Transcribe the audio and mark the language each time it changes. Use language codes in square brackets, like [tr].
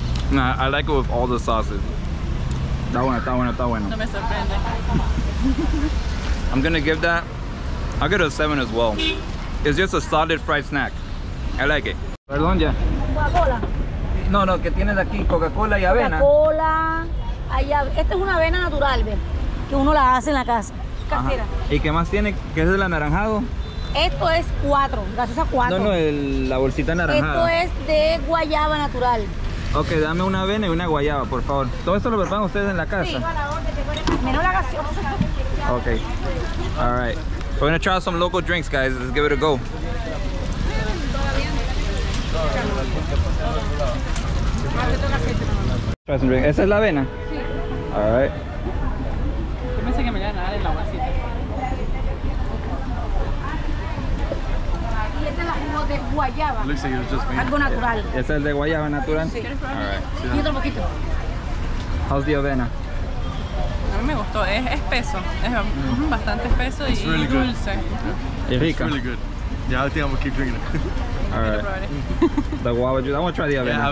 [en] Nah, I like it with all the sauces. [es] Está bueno, está bueno, está bueno. No me sorprende. [en] I'm gonna give that, I'll get a 7 as well. It's just a solid fried snack. I like it. [es] Perdón, ya. Coca-Cola. No, no, que tienes aquí Coca-Cola y avena. Coca-Cola. Ay, esta es una avena natural, ve, que uno la hace en la casa. Casera. Ajá. ¿Y qué más tiene? ¿Qué es el anaranjado? Esto es cuatro, gracias a cuatro. No, no, la bolsita anaranjada. Esto es de guayaba natural. Ok, dame una avena y una guayaba, por favor. ¿Todo esto lo preparan ustedes en la casa? Sí, a la orden. Menos la gaseosa. [en] Ok. All right. We're gonna try some local drinks, guys. Let's give it a go. Try some drink. [es] ¿Esa es la avena? Sí. [en] All right. [es] Yo pensé que me iba a dar el aguacito. Y este es el jugo de guayaba. Algo natural. Yeah. ¿Ese es el de guayaba natural? Sí. [en] All right. [es] Y otro poquito. [en] How's the avena? [es] A mí me gustó, es espeso, es bastante espeso y [en] really [es] dulce. Y rica. Es muy bien. [en] Yeah, I think I'm gonna keep drinking it. All right. The guava juice. I want to try the avena.